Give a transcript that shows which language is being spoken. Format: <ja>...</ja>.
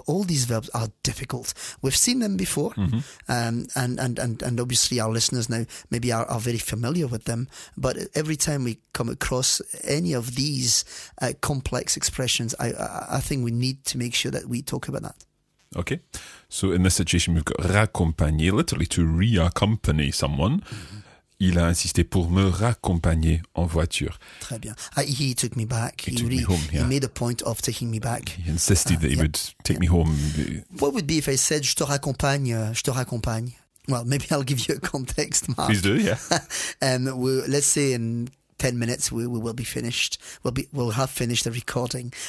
<en>All these verbs are difficult. We've seen them before, and obviously our listeners now maybe are very familiar with them. But every time we come across any of these complex expressions, I think we need to make sure that we talk about that. Okay, so in this situation, we've got raccompagner, literally to re-accompany someone.</en> <fr>Il a insisté pour me raccompagner en voiture. Très bien.</fr> <en>He took me back. He took me home. Yeah. He made a point of taking me back. He insisted that he would take me home. What would be if I said,</en> <fr>je te raccompagne?</fr> <en>Well, maybe I'll give you a context, Mark. Please do, yeah. Let's say in 10 minutes, we will be finished. We'll have finished the recording.</en>